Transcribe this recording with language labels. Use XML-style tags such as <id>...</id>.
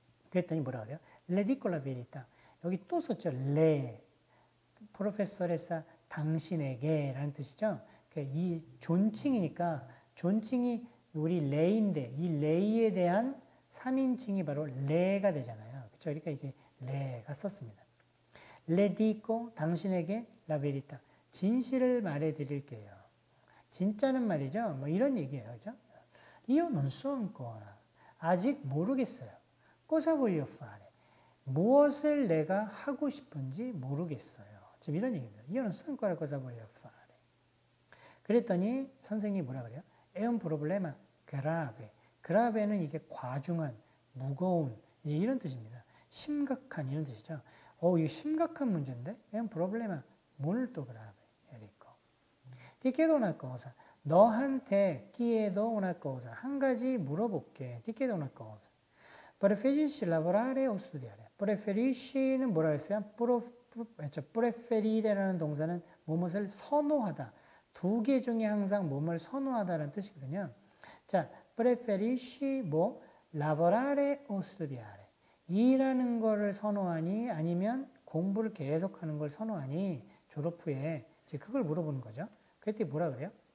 <ko>그랬더니 뭐라 그래요?</ko> <it>Ridicola verità.</it> <ko>여기 또 썼죠. Le. Professoressa 당신에게 라는 뜻이죠. 이 존칭이니까 존칭이 우리 레인데 이 레이에 대한 3인칭이 바로 레가 되잖아요. 그렇죠? 그러니까 이게 레가 썼습니다.</ko> <it>Ridico</it> <ko>당신에게</ko> <it>la verità.</it> <ko>진실을 말해드릴게요. 진짜는 말이죠. 뭐 이런 얘기예요. 그렇죠?</ko> <it>Io non so ancora.</it> <ko>아직 모르겠어요.</ko> <it>Cosa voglio fare?</it> <ko>무엇을 내가 하고 싶은지 모르겠어요. 지금 이런 얘기입니다.</ko> <it>Io non so ancora cosa voglio fare.</it> <ko>그랬더니 선생님이 뭐라 그래요?</ko> <it>È un problema grave.</it> <ko>Grave는 이게 과중한, 무거운 이제 이런 뜻입니다. 심각한 이런 뜻이죠. 어, 이거 심각한 문제인데?</ko> <it>È un problema molto grave. Ecco. Ti chiedo una cosa.</it> <ko>너한테</ko> <it>chiedo una cosa.</it> <ko>한 가지 물어볼게.</ko> <it>Ti chiedo una cosa. Preferisci lavorare o studiare?</it> <ko>Preferisci는 뭐라고 했어요? Preferire라는 동사는 무엇을 선호하다. 두 개 중에 항상 무엇을 선호하다라는 뜻이거든요. 자, preferisci 뭐?</ko> <it>Lavorare o studiare?</it> <ko>일하는 거를 선호하니 아니면 공부를 계속하는 걸 선호하니 졸업 후에 이제 그걸 물어보는 거죠. 그랬더니 뭐라고 그래요?</ko>